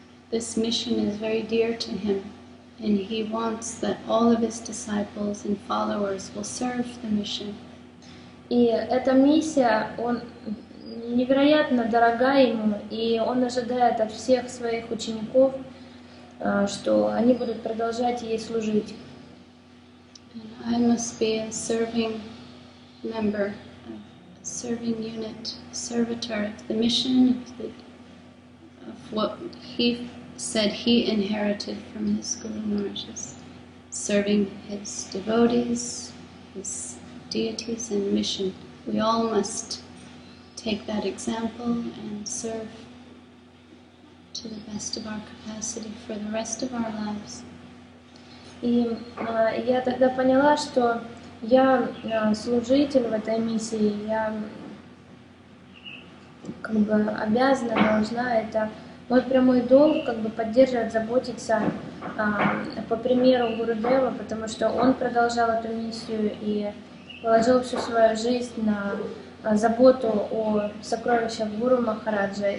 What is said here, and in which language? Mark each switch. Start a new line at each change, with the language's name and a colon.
English: This mission is very dear to him, and he wants that all of his disciples and followers will serve the mission.
Russian: И эта миссия, он невероятно дорога ему, и он ожидает от всех своих учеников, что они будут продолжать ей служить.
English: And I must be a serving member, a serving unit, a servitor of the mission, of what he said he inherited from his Guru Maharaj's, serving his devotees, his deities and mission. We all must take that example and serve to the best of our capacity for the rest of our lives.
Russian: И я тогда поняла, что я служитель в этой миссии, я как бы обязана, должна это. Мой прямой долг как бы поддерживать, заботиться по примеру Гурудева, потому что он продолжал эту миссию и положил всю свою жизнь на заботу о сокровищах Гуру Махараджа.